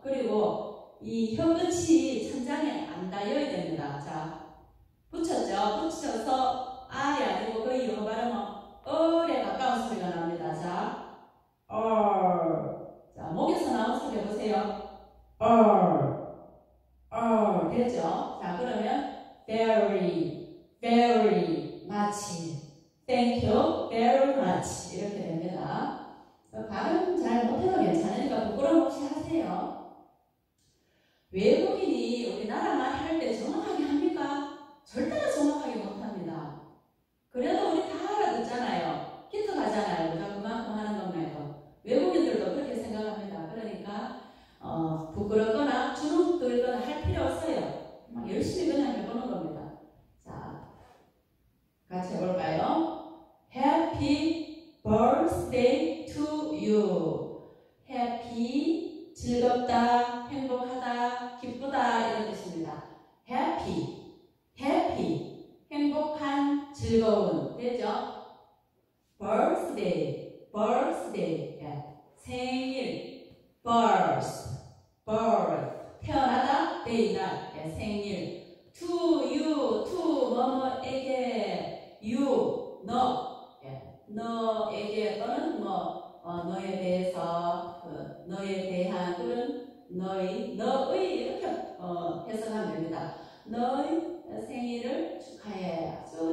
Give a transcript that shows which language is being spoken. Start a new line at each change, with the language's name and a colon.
Korean: 그리고 이 혀끝이 천장에 안 닿여야 됩니다. 자, 붙였죠? 붙여서 아이 아니고 거의 영어 발음은 어에 가까운 소리가 납니다. 자, 어. 자, 목에서 나온 소리 해보세요. 어. 어. 됐죠? 자, 그러면
English: very, very much. Thank you very much.
Korean: 이렇게 됩니다. 발음 잘 못해도 괜찮으니까 부끄러움 없이 하세요. 외국인이 우리나라 말 할 때 정확하게 합니까? 절대로 정확하게 못합니다. 그래도 우리 다 알아듣잖아요. 기도 가잖아요. 우리가 그만큼 하는 것 말고. 외국인들도 그렇게 생각합니다. 그러니까 부끄럽거나 주눅들거나 할 필요 없어요. 막 열심히 그냥 해보는 겁니다. 자, 같이 해볼까요?
English: Happy birthday to you. Happy
Korean: 즐겁다, 행복하다, 기쁘다 이런 뜻입니다.
English: Happy, happy,
Korean: 행복한, 즐거운, 되죠?
English: Birthday, birthday, yeah.
Korean: 생일,
English: birth, birth,
Korean: 태어나다, 데이다,
English: yeah.
Korean: 생일.
English: To you, to
Korean: 뭐뭐에게,
English: you,
Korean: 너,
English: yeah.
Korean: 너에게 또는 뭐 너에 대해서, 너에 대한 그런 너의, 너의 이렇게 해석하면 됩니다. 너의 생일을 축하해.